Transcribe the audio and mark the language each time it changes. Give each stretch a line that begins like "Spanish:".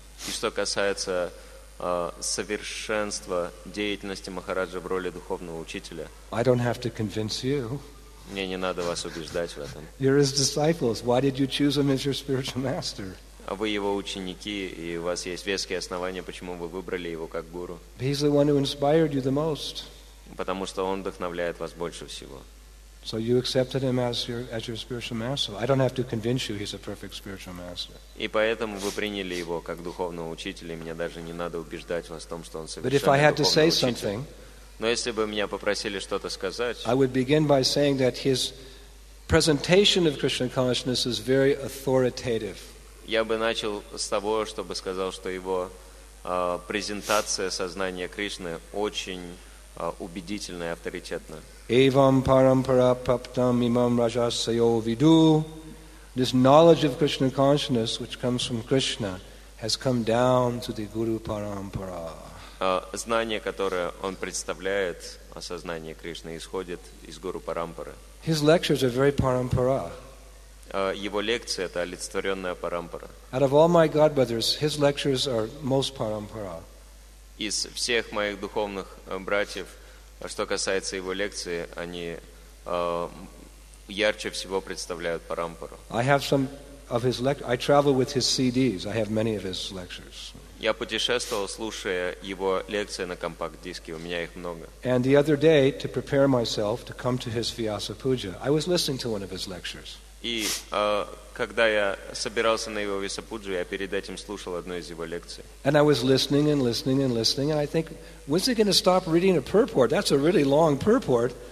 Russian: И что касается совершенства деятельности Махараджа в роли духовного учителя,
English: I don't have to convince you.
Russian: Мне не надо вас убеждать в этом.
English: You're his disciples. Why did you choose him as your spiritual master?
Russian: Вы его ученики, и у вас есть веские основания, почему вы выбрали его как гуру.
English: He's the one who inspired you the most.
Russian: Потому что он вдохновляет вас больше всего.
English: So you accepted him as your spiritual master. I don't have to convince you he's a perfect spiritual master.
Russian: И поэтому вы приняли его как духовного учителя, и мне даже не надо убеждать вас в том, что он совершенно духовный
English: But if I had to say something,
Russian: но если бы меня попросили что-то сказать,
English: I would begin by saying that his presentation of Krishna consciousness is very authoritative.
Russian: Я бы начал с того, чтобы сказал, что его презентация сознания Кришны очень убедительно и авторитетно.
Sanskrit: Evam parampara praptam imam rajasayo vidu.
English: This knowledge of Krishna consciousness, which comes from Krishna, has come down to the guru parampara.
Russian: Знание, которое он представляет, осознание Кришны, исходит из гуру парампары.
English: His lectures are very parampara.
Russian: Его лекции — это олицетворенная парампара.
English: Out of all my godbrothers, his lectures are most parampara.
Russian: Из всех моих духовных братьев, что касается его лекций, они ярче всего представляют парампару.
English: I have some of his lectures. I travel with his CDs. I have many of his lectures.
Russian: Я путешествовал, слушая его лекции на компакт-диске. У меня их много.
English: And the other day, to prepare myself to come to his Vyasa Puja, I was listening to one of his lectures.
Russian: И когда я собирался на его Висапуджу, я перед этим слушал одну из его лекций.
English: And I was listening and listening and listening, and I think, when's he going to stop reading a purport? That's a really long purport.